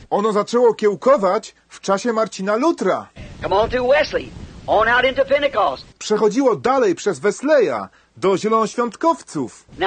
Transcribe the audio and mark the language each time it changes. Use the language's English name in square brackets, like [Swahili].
[Polish] Ono zaczęło kiełkować w czasie Marcina Lutra. [English] Come on through Wesley, on out into Pentecost. [Polish] Przechodziło dalej przez Wesleya. Do zielonoświątkowców.